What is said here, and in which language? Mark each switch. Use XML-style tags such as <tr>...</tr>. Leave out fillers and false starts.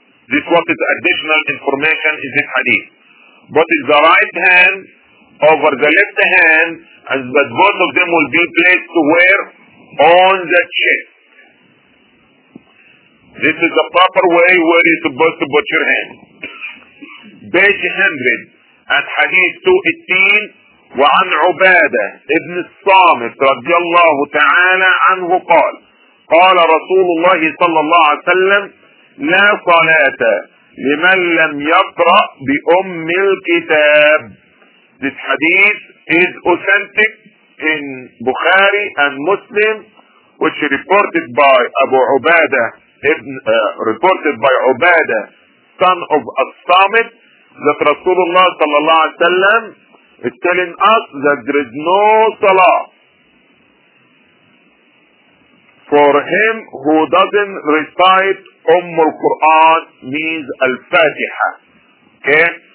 <en>This what is additional information in this hadith. What is the right hand over the left hand, and that both of them will be placed to wear on the chest. This is the proper way where you're supposed to put your hand. Page 100 and Hadith 218</en> <ar>وعن عبادة ابن الصامت رضي الله تعالى عنه قال قال رسول الله صلى الله عليه وسلم لا صلاة لمن لم يقرأ بأم الكتاب.</ar> <en>This hadith is authentic in Bukhari and Muslim, which is reported by Abu Ubadah, reported by Ubadah, son of As-Samit, that Rasulullah sallallahu alayhi wa sallam is telling us that there is no salah for him who doesn't recite Ummul Quran, means Al-Fatiha. Okay?</en>